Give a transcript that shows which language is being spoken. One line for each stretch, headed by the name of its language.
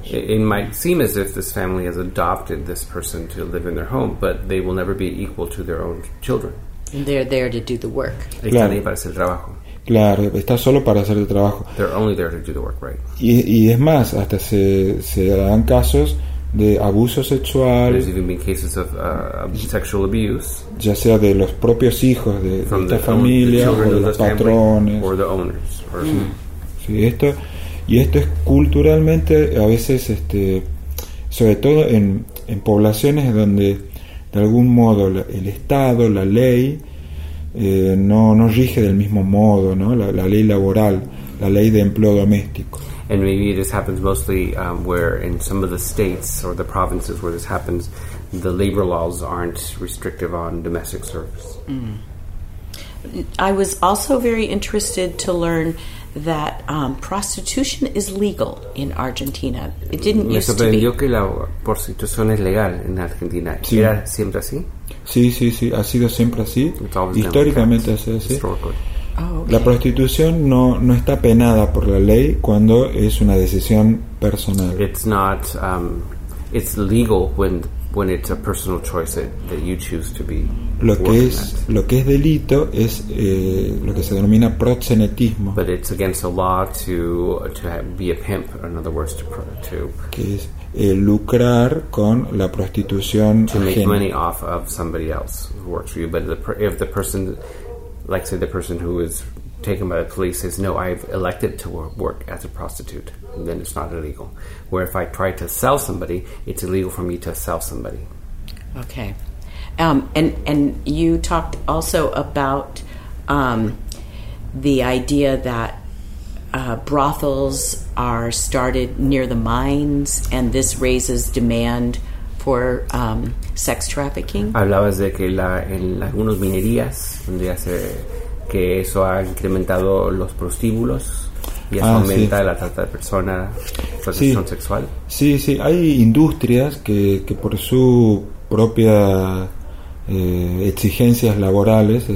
English: It might seem as if this family has adopted this person to live in their home, but they will never be equal to their own children. And they're there to do the work.
Spanish: Claro. Están ahí para hacer el trabajo. Claro, está solo para hacer el trabajo.
English: They're only there to do the work, right?
Spanish: Y es más, hasta se dan casos de abuso sexual.
English: There's even been cases of sexual abuse,
Spanish: ya sea de los propios hijos de esta familia o de los patrones
English: or the owners, or
Spanish: sí, esto es culturalmente a veces sobre todo en poblaciones donde de algún modo el Estado, la ley no rige del mismo modo, ¿no? La ley laboral, la ley de empleo doméstico.
English: And maybe this happens mostly where in some of the states or the provinces where this happens, the labor laws aren't restrictive on domestic service. Mm. I was also very interested to learn that prostitution is legal in Argentina. It didn't
Spanish: me
English: used to be.
Spanish: Me sorprendió que la prostitución es legal en Argentina. Sí. ¿Era siempre así? Sí, sí, sí. Ha sido siempre así. Históricamente ha sido así.
English: Historically. Oh, okay.
Spanish: La prostitución no está penada por la ley cuando es una decisión personal.
English: It's not it's legal when it's a personal choice that you choose to be.
Spanish: Lo que es delito es lo que se denomina proxenetismo.
English: But it's against the law to be a pimp, in other words, to
Spanish: que es lucrar con la prostitución
English: to
Spanish: ajena.
English: To make money off of somebody else who works for you, but if the person, like say the person who is taken by the police says, no, I've elected to work as a prostitute, and then it's not illegal. Where if I try to sell somebody, it's illegal for me to sell somebody. Okay. And you talked also about the idea that brothels are started near the mines, and this raises demand for sex trafficking.
Spanish: Hablabas de que en algunas minerías donde se que eso ha incrementado los prostíbulos y eso aumenta sí. La trata de personas, prostitución sexual. Sí, sí, hay industrias que por su propia exigencias laborales.